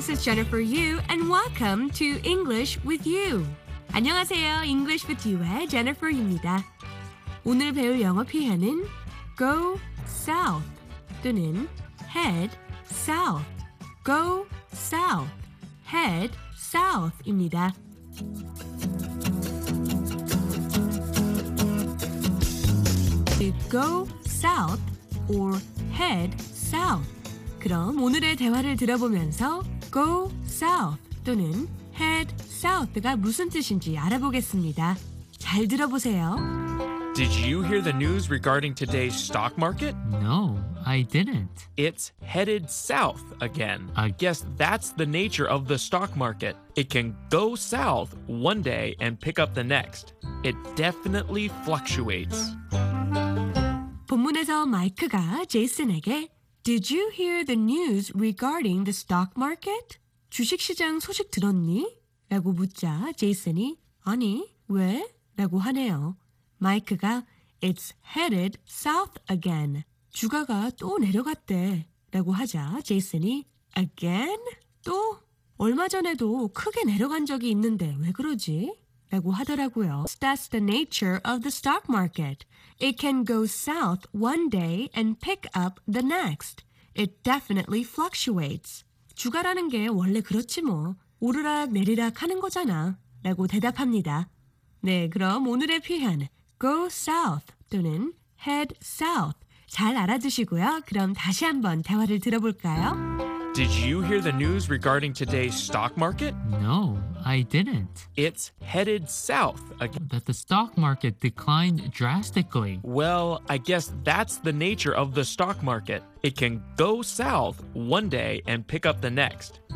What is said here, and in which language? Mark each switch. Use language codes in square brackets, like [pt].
[en] Jennifer Yu and welcome to English with You. [ko] 안녕하세요. [en] English with You의 Jennifer 입니다. [ko] 오늘 배울 영어 표현은 go south 또는 head south. [en] go south, head south [ko] 입니다. [en] 그 go south or head south. [ko] 그럼 오늘의 대화를 들어보면서 go south 또는 head south가 무슨 뜻인지 알아보겠습니다. 잘 들어보세요. [en] Did you hear the news regarding today's stock market? No, I didn't. It's headed south again. I guess that's the nature of the stock market. It can go south one day and pick up the next. It definitely fluctuates. [ko] 본문에서 마이크가 제이슨에게 [en] Did you hear the news regarding the stock market? [ko] 주식시장 소식 들었니? 라고 묻자 제이슨이 아니, 왜? 라고 하네요. 마이크가 [en] It's headed south again. [ko] 주가가 또 내려갔대 라고 하자 제이슨이 [en] Again? [ko] 또? 얼마 전에도 크게 내려간 적이 있는데 왜 그러지? 라고 하더라고요. [en] That's the nature of the stock market. It can go south one day and pick up the next. It definitely fluctuates. [ko] 주가라는 게 원래 그렇지 뭐. 오르락 내리락 하는 거잖아 라고 대답합니다. 네, 그럼 오늘의 표현 Go south 또는 head south. 잘 알아두시고요. 그럼 다시 한번 대화를 들어볼까요? [en] Did you hear the news regarding today's stock market? No, I didn't. It's headed south again. That the stock market declined drastically. Well, I guess that's the nature of the stock market. It can go south one day and pick up the next.